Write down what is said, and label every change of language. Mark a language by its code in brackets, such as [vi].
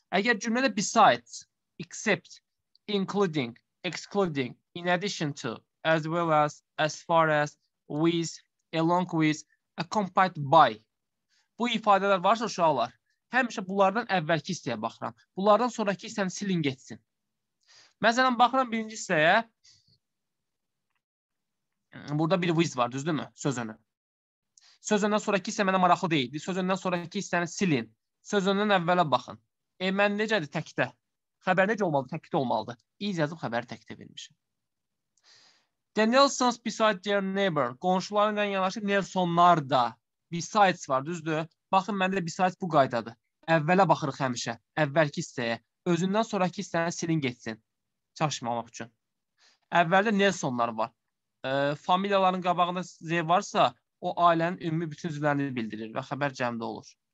[az] Əgər cümlədə besides, except, including, excluding, in addition to, as well as far as, with, along with, accompanied by. Bu ifadələr varsa uşaqlar, həmişə bunlardan əvvəlki hissəyə baxıram. Bunlardan sonraki hissəni silin geçsin. Məsələn, baxıram birinci hissəyə. Burada bir with var, düzdür mü? Söz önü. Söz önündən sonraki hissə mənə maraqlı deyil. Söz önündən sonraki hissəni silin. Söz önündən əvvələ baxın. Mən necədir təkdə? Xəbər necə olmalı? Təkdə olmalıdır. İz yazıb xəbəri təkdə vermişim. [en] The Nelsons beside their neighbor. [az] Qonşularla yanaşı Nelsonlar da. Besides var, düzdür. Baxın, məndə besides bu qaydadır. Əvvələ baxırıq həmişə. Əvvəlki hissəyə. Özündən sonraki hissəni silin geçsin. Çaşmamaq üçün. Əvvəldə Nelsonlar var. Familiyaların qabağında Z varsa, o ailənin ümumi bütün üzvlərini bildirir və xəbər cəmdə olur.